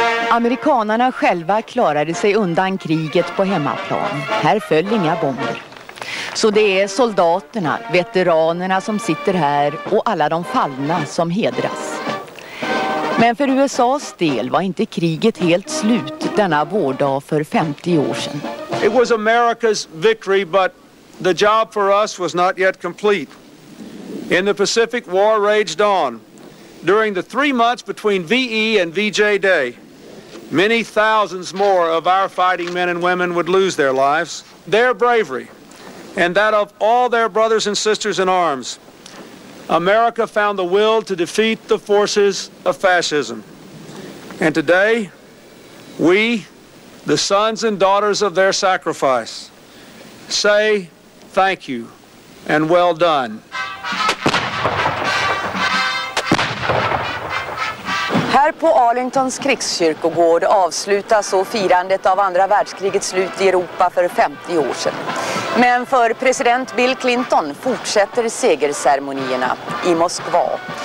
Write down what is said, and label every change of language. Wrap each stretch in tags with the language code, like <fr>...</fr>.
<sv>Amerikanerna själva klarade sig undan kriget på hemmaplan. Här föll inga bomber. Så det är soldaterna, veteranerna som sitter här och alla de fallna som hedras. Men för USA:s del var inte kriget helt slut denna vårdag för 50 år sedan.</sv> <en>It was America's victory, but the job for us was not yet complete. In the Pacific, war raged on. During the 3 months between VE and VJ Day, many thousands more of our fighting men and women would lose their lives. Their bravery, and that of all their brothers and sisters in arms, America found the will to defeat the forces of fascism. And today, we, the sons and daughters of their sacrifice, say thank you and well done.</en> <sv>Här på Arlingtons krigskyrkogård avslutas så firandet av andra världskrigets slut i Europa för 50 år sedan. Men för president Bill Clinton fortsätter segerceremonierna i Moskva.</sv>